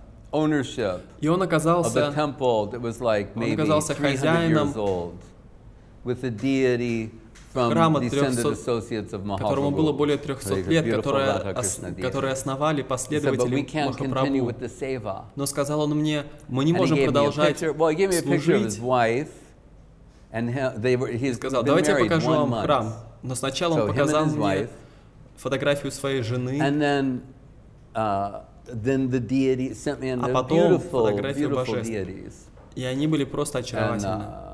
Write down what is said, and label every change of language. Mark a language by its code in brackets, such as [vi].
[en] Ownership of a temple that was like maybe 300 years old, with a deity from descended associates of Mahaprabhu, [ru] которому было более 300 лет, которые основали последователи Махапрабху. Но сказал он мне, мы не можем продолжать служить. Сказал, давайте я покажу вам храм. Но сначала он показал мне фотографию своей жены. [en] Then the deity sent me in the beautiful, beautiful deities. [ru] И они были просто очаровательны.